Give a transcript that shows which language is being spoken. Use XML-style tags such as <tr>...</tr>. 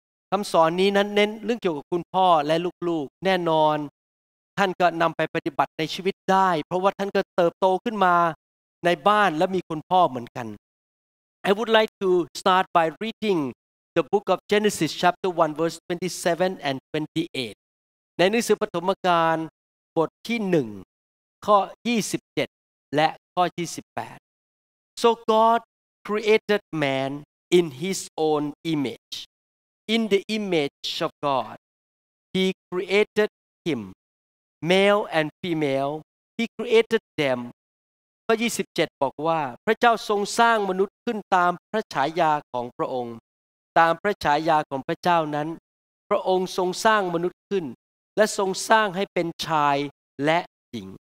<th>คำสอนนี้นั้นเน้นเรื่องเกี่ยวกับคุณพ่อและลูกๆแน่นอนท่านก็นำไปปฏิบัติในชีวิตได้เพราะว่าท่านก็เติบโตขึ้นมาในบ้านและมีคุณพ่อเหมือนกัน</th> <en>I would like to start by reading the book of Genesis chapter 1 verse 27 and 28.</en> <th>ในหนังสือปฐมกาลบทที่1ข้อ27และข้อ28</th> <en>So God created man in his own image. In the image of God, he created him. Male and female, he created them.</en> <th>ข้อ27บอกว่าพระเจ้าทรงสร้างมนุษย์ขึ้นตามพระฉายาของพระองค์ตามพระฉายาของพระเจ้านั้นพระองค์ทรงสร้างมนุษย์ขึ้นและทรงสร้างให้เป็นชายและหญิง</th>